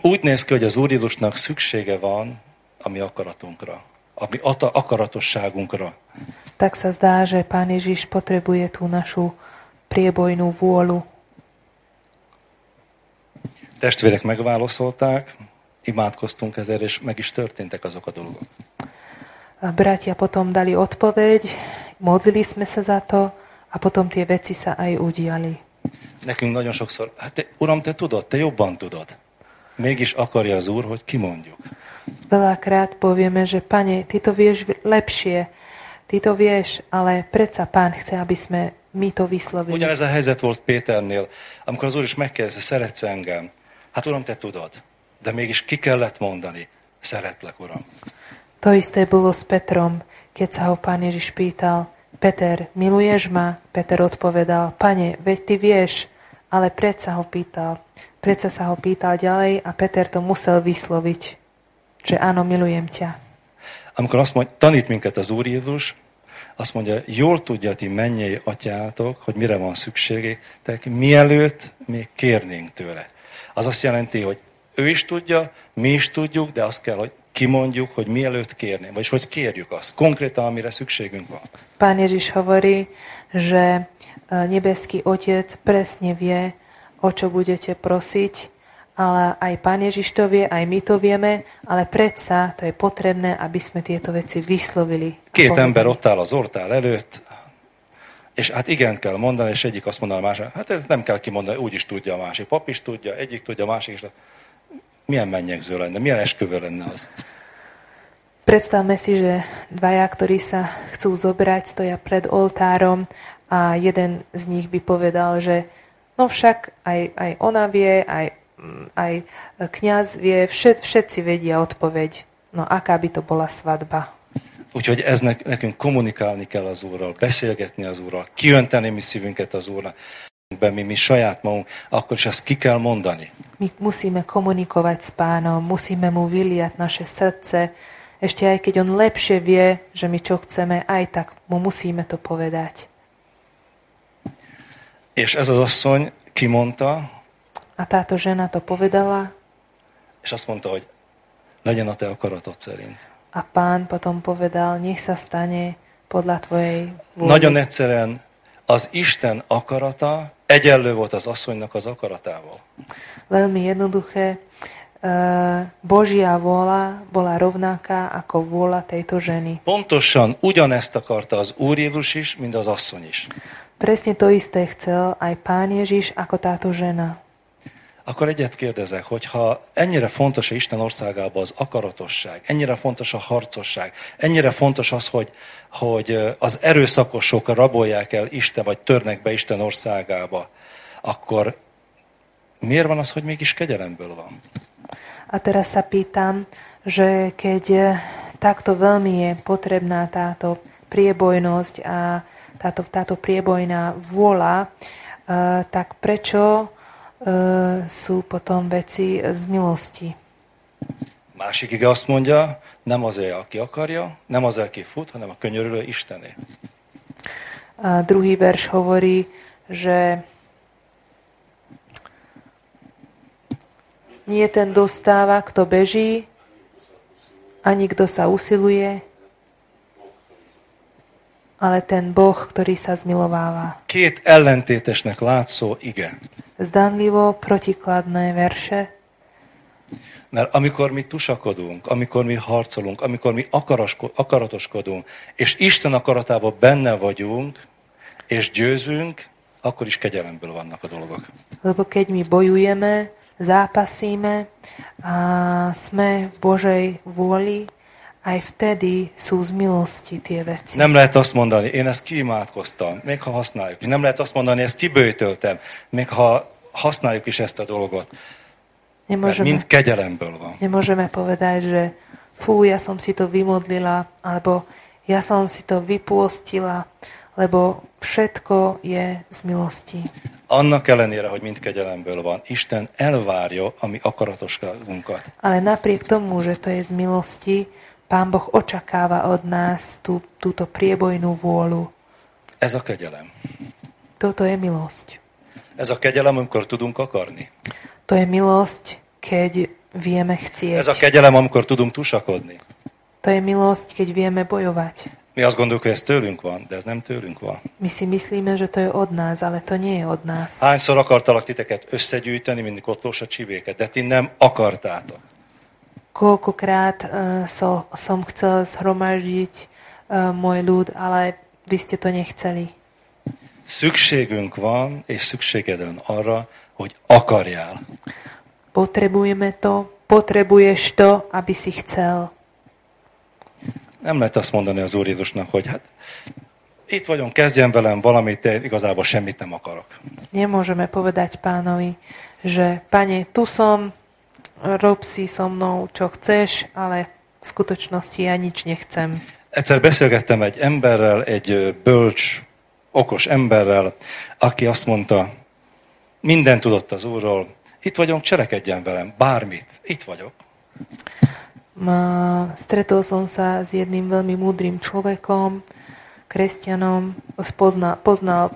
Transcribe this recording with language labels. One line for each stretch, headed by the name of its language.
Hungarian: Úgy néz ki, hogy az Úr Jézusnak szüksége van a mi akaratunkra, a mi akaratosságunkra.
Slovak: Tak sa zdá, že pán Ježiš potrebuje tú našu priebojnú vôľu.
Hungarian: Testvérek megválaszolták, imádkoztunk ezért, és meg is történtek azok a dolgok.
Slovak: A bratia potom dali odpoveď, modlili sme sa za to, a potom tie veci sa aj udiali.
Hungarian: Nekünk nagyon sokszor, hát te, Uram, te tudod, te jobban tudod. Mégis akarja az Úr, hogy kimondjuk.
Slovak: Veľakrát povieme, že Pane, ty to vieš lepšie, ty to vieš, ale predsa Pán chce, aby sme mi to vyslovili.
Hungarian: Ugyanez a helyzet volt Péternél, amikor az Úr is megkérdezte, szeretsz engem? Hát Uram, te tudod, de mégis ki kellett mondani, szeretlek, Uram.
Slovak: To isté bolo s Petrom, keď sa ho Pán Ježiš pýtal, Peter, miluješ ma? Peter odpovedal, Pane, veď ty vieš, ale predsa sa ho pýtal ďalej a Peter to musel vysloviť, že áno, milujem ťa.
Hungarian: Amikor azt mondja, tanít minket az Úr Jézus, azt mondja, jól tudja ti mennyei atyátok, hogy mire van szükségétek, mielőtt még kérnénk tőle. Az azt jelenti, hogy ő is tudja, mi is tudjuk, de azt kell, hogy kimondjuk, hogy mielőtt kérni, vagyis hogy kérjük azt, konkrétan, amire szükségünk van.
Slovak: Pán Ježiš hovorí, že nebeský otec presne vie, o čo budete prosiť, ale aj Pán Ježiš to vie, aj my to vieme, ale predsa to je potrebné, aby sme tieto veci vyslovili.
Hungarian: Két ember ott áll az oltár előtt, és hát igent kell mondani, és egyik azt mondaná a másik, hát ez nem kell kimondani, úgy is tudja a másik, pap is tudja, egyik tudja, a másik is. Milyen mennyegző lenne, milyen esküvő lenne az?
Slovak: Predstavme si, že dvaja, ktorí sa chcú zobrať, stoja pred oltárom a jeden z nich by povedal, že no však aj ona vie, aj kňaz vie, všetci vedia odpoveď. No aká by to bola svadba?
Hungarian: Úgyhogy ez nekünk kommunikálni kell az Úrral, beszélgetni az Úrral, kijönteni mi szívünket az Úrnak, mi saját magunk, akkor is ezt ki kell mondani.
Slovak: Mi musíme komunikovať s Pánom, musíme mu vyliať naše srdce, ešte aj keď on lepšie vie, že my čo chceme, aj tak mu musíme to povedať.
Hungarian: És ez az asszony kimondta.
Slovak: A táto žena to povedala.
Hungarian: És azt mondta, hogy legyen a te akaratod szerint.
Slovak: A pán potom povedal, nech sa stane podľa tvojej vôli.
Hungarian: Nagyon egyszerűen az Isten akarata egyenlő volt az asszonynak az akaratával.
Slovak: Veľmi jednoduché, Božia vôľa bola rovnaká ako vôľa tejto ženy.
Hungarian: Pontosan ugyanezt akarta az Úr Jézus is, mint az asszony is.
Slovak: Presne to isté chcel aj Pán Ježiš ako táto žena.
Hungarian: Akkor egyet kérdezek, hogyha ennyire fontos a Isten országában az akaratosság, ennyire fontos a harcosság, ennyire fontos az, hogy az erőszakosok rabolják el Isten, vagy törnek be Isten országába, akkor miért van az, hogy mégis kegyelemből van?
Slovak: A teraz sa pýtam, že keď takto veľmi je potrebná táto priebojnosť a táto priebojná vôľa, tak prečo sú potom veci z milosti?
Hungarian: Másik ige azt mondja, nem az el, aki akarja, nem az el, aki fut, hanem a könyörülő Istené.
Slovak: A druhý verš hovorí, že nie ten dostáva, kto beží, ani kto sa usiluje, ale ten Boh, ktorý sa zmilováva.
Hungarian: Két ellentétesnek látszó ige.
Slovak: Zdánlivo protikladné verše.
Hungarian: Mert amikor mi tusakodunk, amikor mi harcolunk, amikor mi akaratoskodunk, és Isten akaratában benne vagyunk, és győzünk, akkor is kegyelemből vannak a dolgok.
Slovak: Lebo keď mi bojujeme, zápasíme a sme v Božej vôli, aj vtedy sú z milosti tie veci.
Hungarian: Nem lehet azt mondani, én ezt kiimádkoztam, még ha használjuk. Nem lehet azt mondani, ezt kibőjtöltem, még ha használjuk is ezt a dolgot.
Slovak: Nemôžeme,
Hungarian: mert mind kegyelemből van.
Slovak: Nemôžeme povedať, že fú, ja som si to vymodlila, alebo ja som si to vypôstila, lebo všetko je z milosti.
Hungarian: Annak ellenére, hogy mind kegyelemből van, Isten elvárja a mi akaratoskodunkat.
Slovak: Ale napriek tomu, že to je z milosti, Pán Boh očakáva od nás túto priebojnú vôľu.
Hungarian: Ez a kegyelem.
Slovak: Toto je milosť.
Hungarian: Ez a kegyelem, amikor tudunk akarni.
Slovak: To je milosť, keď vieme chcieť.
Hungarian: Ez a kegyelem, amikor tudunk tusakodni.
Slovak: To je milosť, keď vieme bojovať.
Hungarian: Mi azt gondoljuk, hogy ez tőlünk van, de ez nem tőlünk van.
Slovak: Mi si myslíme, že to je od nás, ale to nie je od nás.
Hungarian: Hányszor akartalak titeket összegyűjteni, mint kotlós a csibéket, de ti nem akartátok.
Slovak: Koľkokrát som chcel zhromaždiť môj ľud, ale vy ste to nechceli.
Hungarian: Szükségünk van, és szükséged van arra, hogy akarjál.
Slovak: Potrebujeme to, potrebuješ to, aby si chcel.
Hungarian: Nem lehet azt mondani az Úr Jézusnak, hogy hát itt vagyunk, kezdjen velem valamit, én igazából semmit nem akarok.
Slovak: Nemôžeme povedať pánovi, že pane, tu som, rob si so mnou, čo chceš, ale v skutočnosti ja nič nechcem.
Hungarian: Egyszer beszélgettem egy emberrel, egy bölcs, okos emberrel, aki azt mondta, minden tudott az Úrról, itt vagyunk, cselekedjen velem, bármit, itt vagyok.
Slovak: Stretol som sa s jedným veľmi múdrym človekom, kresťanom, poznal písmo.